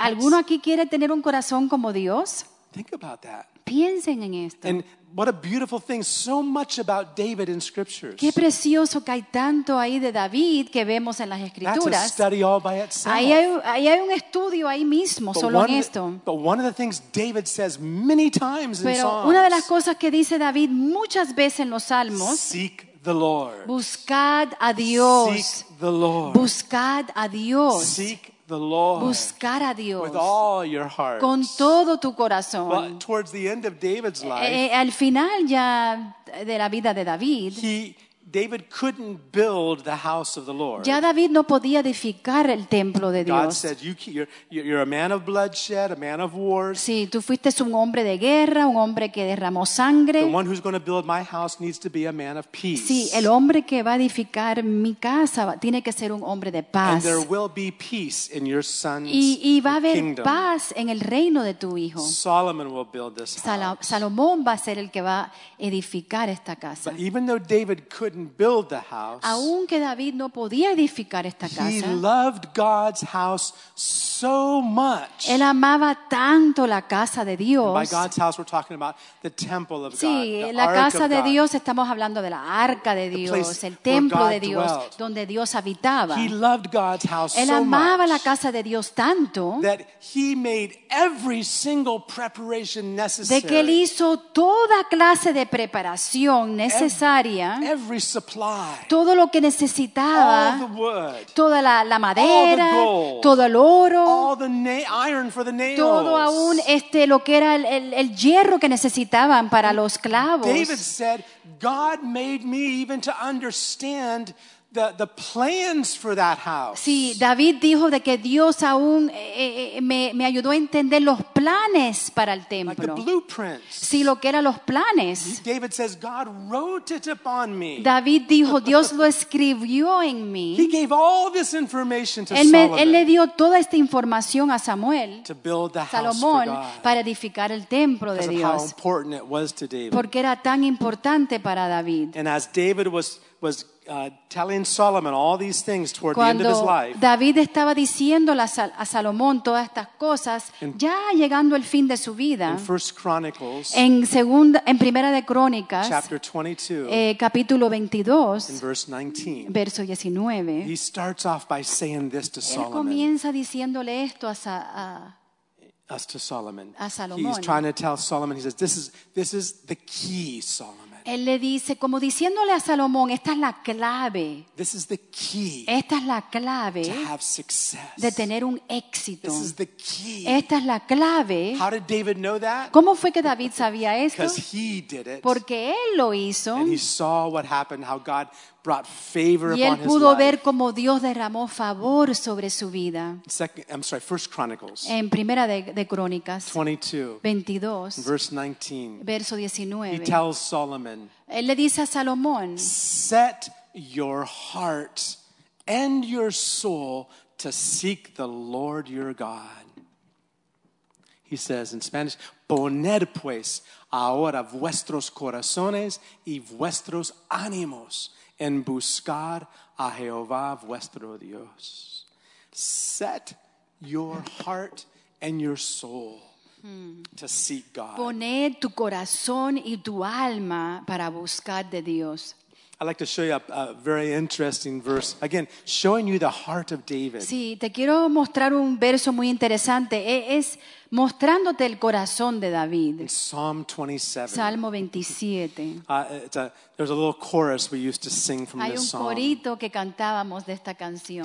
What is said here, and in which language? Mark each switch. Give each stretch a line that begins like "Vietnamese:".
Spanish: ¿Alguno aquí quiere tener un corazón como Dios?
English: Think about that.
Spanish: Piensen en esto.
English: And what a beautiful thing so much about David in scriptures.
Spanish: Qué precioso que hay tanto ahí de David que vemos en las escrituras.
English: That's a study all by itself.
Spanish: Ahí hay un estudio ahí mismo
English: but
Spanish: solo en esto.
English: But one of the things David says many times
Spanish: pero
English: in Psalms.
Spanish: Pero una de las cosas que dice David muchas veces en los Salmos.
English: Seek the Lord.
Spanish: Buscad a Dios.
English: Seek the Lord.
Spanish: Buscad a Dios.
English: Seek the Lord
Spanish: buscar a Dios
English: with all your heart.
Spanish: Con todo tu corazón.
English: But towards the end of David's life,
Spanish: al final ya de la vida de David,
English: David couldn't build the house of the Lord.
Spanish: Ya David no podía edificar el templo de Dios.
English: God said, you're a man of bloodshed, a man of wars.
Spanish: Sí, tú fuiste un hombre de guerra, un hombre que derramó sangre.
English: The one who's going to build my house needs to be a man of peace.
Spanish: Sí, el hombre que va a edificar mi casa tiene que ser un hombre de paz.
English: And there will be peace in your son's kingdom.
Spanish: Y va a haber
English: kingdom.
Spanish: Paz en el reino de tu hijo.
English: Solomon will build this house.
Spanish: Salomón va a ser el que va a edificar esta casa.
English: But even though David couldn't couldn't build the house,
Spanish: aun que David no podía edificar esta casa,
English: he loved God's house so much.
Spanish: Él amaba tanto la casa de Dios.
English: And by God's house, we're talking about the temple of
Spanish: sí,
English: God, the
Spanish: la
English: ark
Spanish: casa
English: of
Spanish: de
English: God.
Spanish: Dios, estamos hablando de la arca de Dios,
English: the place
Spanish: el templo
English: where God
Spanish: de Dios,
English: dwelt.
Spanish: Donde Dios habitaba.
English: He loved God's house
Spanish: Él
English: so much.
Spanish: Él amaba la casa de Dios tanto
English: that he made every single preparation necessary.
Spanish: De que él hizo toda clase de preparación necesaria.
English: Every supply,
Spanish: todo lo que necesitaba.
English: All the wood,
Spanish: toda la madera.
English: All the gold,
Spanish: todo el oro.
English: All the iron for the nails,
Spanish: todo aún lo que era el hierro que necesitaban para los clavos.
English: David said, God made me even to understand the plans for that house.
Spanish: Sí, David dijo de que Dios aún me ayudó a entender los planes para el templo.
English: Like the blueprints.
Spanish: Sí, lo que eran los planes.
English: David says God wrote it upon me.
Spanish: David dijo Dios lo escribió en mí.
English: He gave all this information to Solomon.
Spanish: Él le dio toda esta información a Samuel.
English: To build the house
Spanish: Salomón,
English: for God.
Spanish: Para edificar el templo de Dios.
English: Because of how important it was to David.
Spanish: Porque era tan importante para David.
English: And as David was telling Solomon all these things toward
Spanish: Cuando
English: the end of his life.
Spanish: David estaba diciéndole a Salomón todas estas cosas ya llegando al fin de su vida.
English: In First Chronicles,
Spanish: en Primera de Crónicas,
English: chapter 22,
Spanish: capítulo 22,
English: in verse 19,
Spanish: verso 19,
English: he starts off by saying this to
Spanish: él
English: Solomon.
Spanish: Él comienza diciéndole esto
English: to Solomon.
Spanish: A Salomón.
English: He's trying to tell Solomon. He says, "This is the key, Solomon."
Spanish: Él le dice, como diciéndole a Salomón, esta es la clave.
English: This is the key.
Spanish: Esta es la clave.
English: To have success.
Spanish: De tener un éxito.
English: This is the key.
Spanish: Esta es la clave.
English: How did David know that?
Spanish: ¿Cómo fue que David sabía esto?
English: Because he did it.
Spanish: Porque él lo hizo.
English: And he saw what happened, how God brought favor upon his life.
Spanish: Y él pudo ver cómo Dios derramó favor sobre su vida.
English: First Chronicles.
Spanish: En Primera de Crónicas.
English: 22. Verse 19.
Spanish: Verso 19.
English: He tells Solomon.
Spanish: Él le dice a Salomón.
English: Set your heart and your soul to seek the Lord your God. He says in Spanish,
Spanish: poned pues ahora vuestros corazones y vuestros ánimos en buscar a Jehová vuestro Dios.
English: Set your heart and your soul to seek God.
Spanish: Poned tu corazón y tu alma para buscar de Dios.
English: I'd like to show you a very interesting verse. Again, showing you the heart of David.
Spanish: Sí, te quiero mostrar un verso muy interesante. Es mostrándote el corazón de David.
English: In Psalm 27.
Spanish: Salmo 27.
English: There's a little chorus we used to sing from this psalm.
Spanish: Hay un corito que cantábamos de esta canción.